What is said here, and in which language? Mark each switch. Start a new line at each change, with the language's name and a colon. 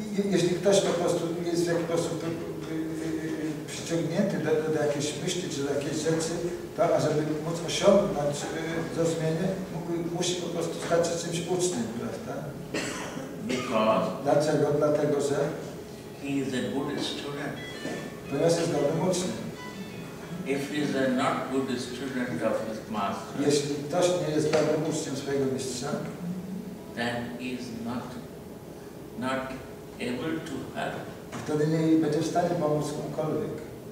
Polish: Jeśli ktoś po prostu jest w jakiś sposób przyciągnięty do jakiejś myśli czy do jakiejś rzeczy, to ażeby móc osiągnąć zrozumienie, musi po prostu stać się czymś ucznym, prawda? Dlaczego? Dlatego, że
English: he is a good student.
Polish: Ponieważ jest dobrym uczniem.
English: If he is a not good student of his master.
Polish: Jeśli ktoś nie jest dobrym uczniem swojego mistrza,
English: then he is not able to help.
Polish: Wtedy nie będzie w stanie pomóc komukolwiek.